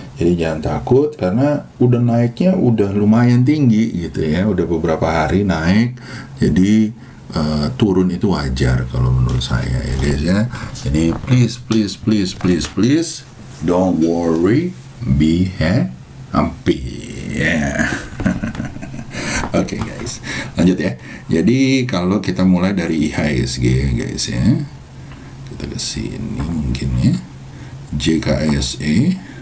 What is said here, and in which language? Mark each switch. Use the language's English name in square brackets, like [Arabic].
[Indonesian] Jadi jangan takut karena udah naiknya udah lumayan tinggi gitu ya, udah beberapa hari naik. Jadi turun itu wajar kalau menurut saya ya guys ya. [English] Jadi please don't worry, be happy. [Indonesian] Yeah. Oke okay, guys, lanjut ya. Jadi kalau kita mulai dari IHSG guys ya, kita ke sini mungkin ya. JKSE.